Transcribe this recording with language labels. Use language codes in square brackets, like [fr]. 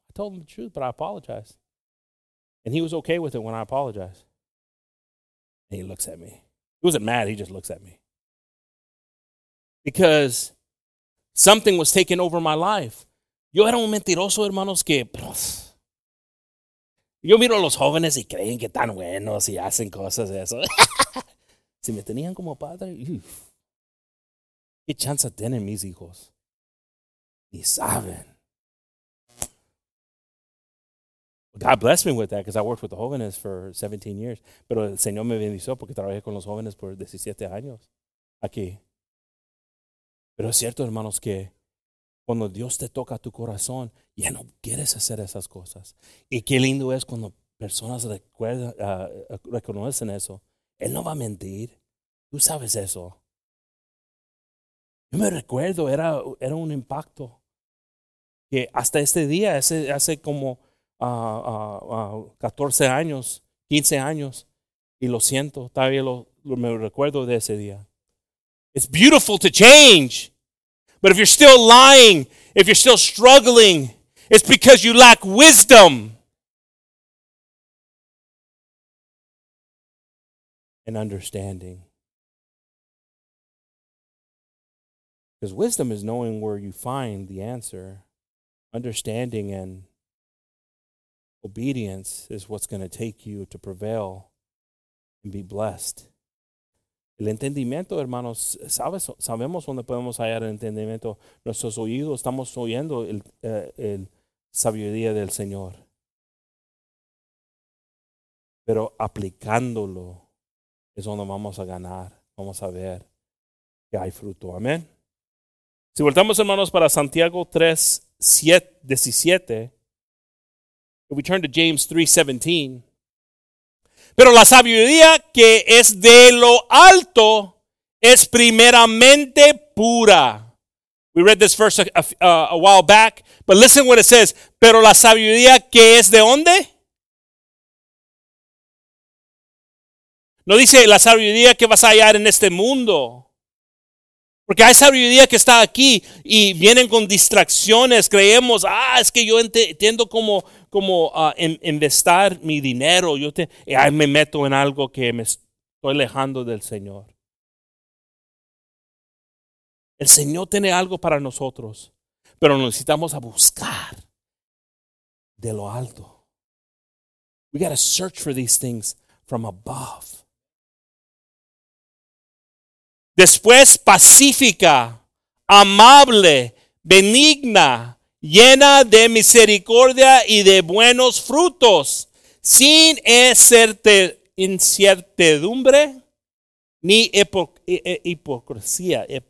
[en] I told him the truth, but I apologize." And he was okay with it when I apologized. And he looks at me. He wasn't mad. He just looks at me. Because something was taking over my life. [es] Yo era un mentiroso, hermanos, que... Yo miro a los jóvenes y creen que están buenos y hacen cosas de eso. Si me tenían como padre, ¿qué chance tienen mis hijos? Ni saben. [en] God blessed me with that because I worked with the jóvenes for 17 years. [es] Pero el Señor me bendició porque trabajé con los jóvenes por 17 años aquí. Pero es cierto, hermanos, que cuando Dios te toca tu corazón, ya no quieres hacer esas cosas. Y qué lindo es cuando personas reconocen eso. Él no va a mentir. Tú sabes eso. Yo me recuerdo, era un impacto. Que hasta este día, hace como 14 años, 15 años, y lo siento, todavía me recuerdo de ese día. [en] It's beautiful to change. But if you're still lying, if you're still struggling, it's because you lack wisdom. And understanding. Because wisdom is knowing where you find the answer. Understanding and obedience is what's going to take you to prevail and be blessed. [es] El entendimiento, hermanos, sabemos dónde podemos hallar el entendimiento. Nuestros oídos, estamos oyendo el sabiduría del Señor. Pero aplicándolo es donde vamos a ganar. Vamos a ver que hay fruto. Amén. Si voltamos, hermanos, para Santiago 3, 7, 17. [en] If we turn to James 3:17, [es] pero la sabiduría que es de lo alto es primeramente pura. [en] We read this verse a while back, but listen what it says. [es] Pero la sabiduría que es de dónde? No dice la sabiduría que vas a hallar en este mundo. Porque hay sabiduría que está aquí y vienen con distracciones. Creemos, es que yo entiendo cómo investir mi dinero. Me meto en algo que me estoy alejando del Señor. El Señor tiene algo para nosotros, pero necesitamos a buscar de lo alto. [en] We got to search for these things from above. [es] Después pacífica, amable, benigna, llena de misericordia y de buenos frutos, sin incertidumbre ni hipocresía.